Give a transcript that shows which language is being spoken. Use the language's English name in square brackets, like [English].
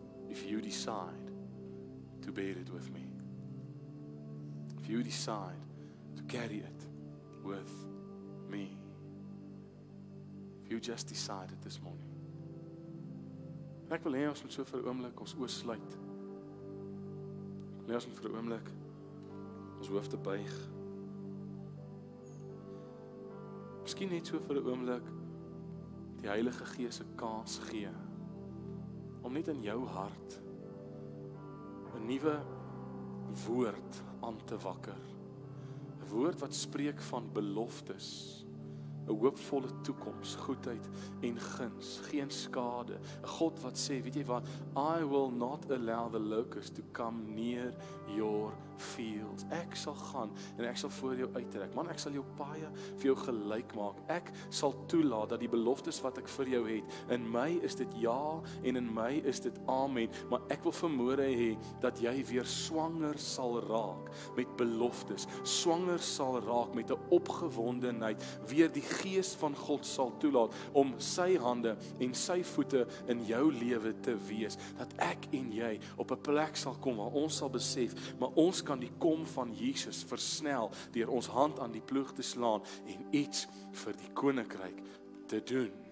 [English] If you decide to bear it with me. If you decide to carry it with me. If you just decided this morning. [Afrikaans] En ek wil hê ons moet so vir 'n oomblik ons oë sluit. Ek wil hê ons moet vir 'n oomblik ons hoof te buig. Miskien net so vir 'n oomblik die Heilige Gees 'n kans gee om net in jou hart 'n nuwe woord aan te wakker. 'N woord wat spreek van beloftes. 'N hoopvolle toekoms, goedheid en guns, geen skade. 'N God wat sê, weet jy wat, [English] I will not allow the locust to come near your fields. [Afrikaans] Ek sal gaan en ek sal voor jou uittrek. Man, ek sal jou paaie vir jou gelyk maak. Ek sal toelaat dat die beloftes wat ek vir jou het, in my is dit ja en in my is dit amen. Maar ek wil vanmôre hê dat jy weer swanger sal raak met beloftes. Swanger sal raak met 'n opgewondenheid, weer die Gees van God sal toelaat om sy hande en sy voete in jou lewe te wees, dat ek en jy op 'n plek sal kom waar ons sal besef, maar ons kan die kom van Jesus versnel deur ons hand aan die ploeg te slaan en iets vir die koninkryk te doen.